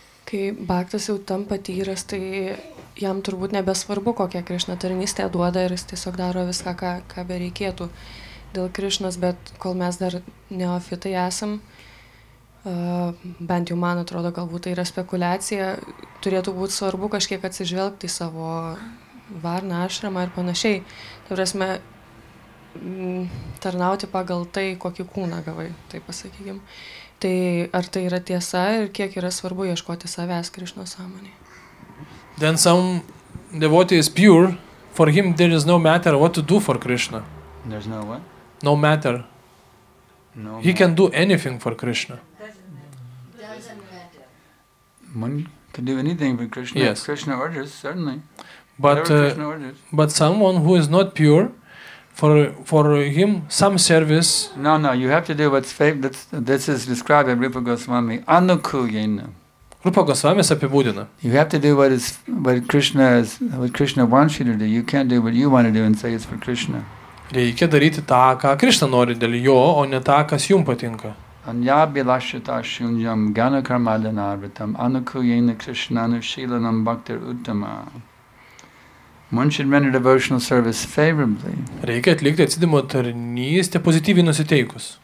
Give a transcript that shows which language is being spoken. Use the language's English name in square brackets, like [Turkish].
[Lithuanian] Kai baktas jau tam patyręs, tai jam turbūt nebesvarbu, kokia Krišna tarnystė duoda ir jis tiesiog daro viską, ką bereikėtų dėl Krišnas, bet kol mes dar neofitai esam, bent jau man atrodo, galbūt tai yra spekulacija, turėtų būti svarbu kažkiek atsižvelgti į savo varną, ašramą ir panašiai. Tai prasme, tarnauti pagal tai, kokį kūną gavai, taip pasakykim. Tai ar tai yra tiesa ir kiek yra svarbu ieškoti savęs Krišnos sąmonėje? [English] Then some devotee is pure. For him there is no matter what to do for Krishna. There's no what? No matter. No he can do anything for Krishna. One can do anything for Krishna. Yes. Krishna orders, certainly. But Krishna orders. But someone who is not pure, for him some service. No, you have to do what's favorite. This is described by Rupa Goswami. [Sanskrit] Anukuyena. [Lithuanian] Rupa Goswami apibūdina. [English] You have to do what Krishna wants you to do. You can't do what you want to do and say it's for Krishna. [Lithuanian] Reikia daryti tą, ką Krishna nori dėl jo, o ne tą, kas jums patinka. [Sanskrit] Anyabilashita shunyam ganakarmadanarvitam anukuyena krishnanu shilanam bhaktir uttama. [English] One should render devotional service favorably. [Lithuanian] Reikia atlikti atsidimo tarnystę pozityviai nusiteikus.